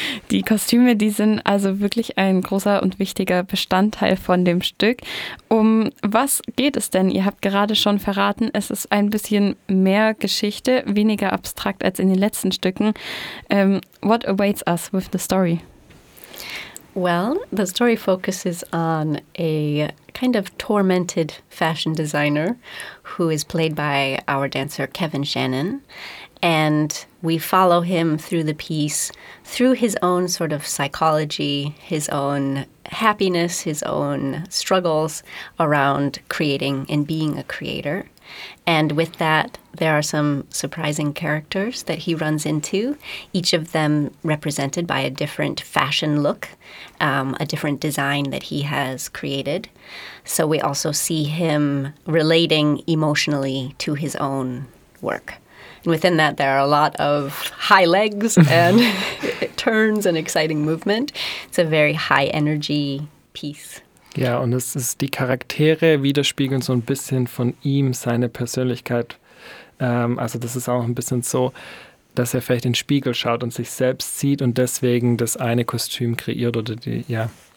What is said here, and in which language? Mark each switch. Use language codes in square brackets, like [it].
[de] Die Kostüme, die sind also wirklich ein großer und wichtiger Bestandteil von dem Stück. Um was geht es denn? Ihr habt gerade schon verraten, es ist ein bisschen mehr Geschichte, weniger abstrakt als in den letzten Stücken. [en] What awaits us with the story? Well, the story focuses on a kind of tormented fashion designer who is played by our dancer Kevin Shannon. And we follow him through the piece, through his own sort of psychology, his own happiness, his own struggles around creating and being a creator. And with that, there are some surprising characters that he runs into, each of them represented by a different fashion look, a different design that he has created. So we also see him relating emotionally to his own work. And within that, there are a lot of high legs and turns and exciting movement. It's a very high energy piece. [de] Ja, und es ist, die Charaktere widerspiegeln so ein bisschen von ihm seine Persönlichkeit. Also das ist auch ein bisschen so, dass er vielleicht in den Spiegel schaut und sich selbst sieht und deswegen das eine Kostüm kreiert oder die, ja.